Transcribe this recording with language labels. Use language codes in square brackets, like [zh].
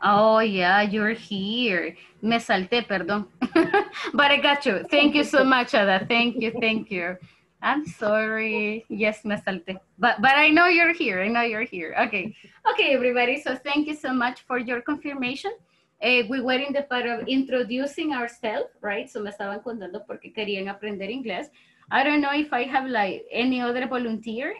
[en] Oh, yeah, you're here. [es] Me salté, perdón. [en] But I got you. Thank you so much, Ada. Thank you, thank you. I'm sorry. Yes, [es] me salté. [en] But I know you're here. I know you're here. Okay. Okay, everybody. So thank you so much for your confirmation. We were in the part of introducing ourselves, right? [es] So me estaban contando porque querían aprender inglés. [en] I don't know if I have like any other volunteer.